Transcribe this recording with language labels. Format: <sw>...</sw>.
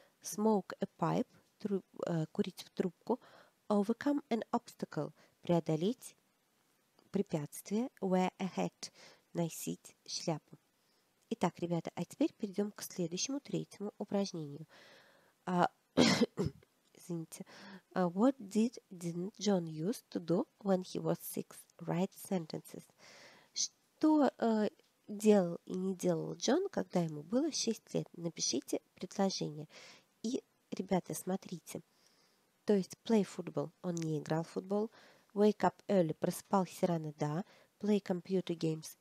<en>Smoke a pipe.</en> <ru>Курить в трубку.</ru> <en>Overcome an obstacle.</en> <ru>Преодолеть препятствие.</ru> <en>Wear a hat.</en> <ru>Носить шляпу. Итак, ребята, а теперь перейдем к следующему, третьему упражнению. Извините.</ru> <en>What didn't John use to do when he was six? Write sentences.</en> <ru>Что делал и не делал Джон, когда ему было 6 лет? Напишите предложение. И, ребята, смотрите. То есть,</ru> <en>play football.</en> <ru>Он не играл в футбол.</ru> <en>Wake up early.</en> <ru>Просыпался рано. Да.</ru> <en>Play computer games.</en>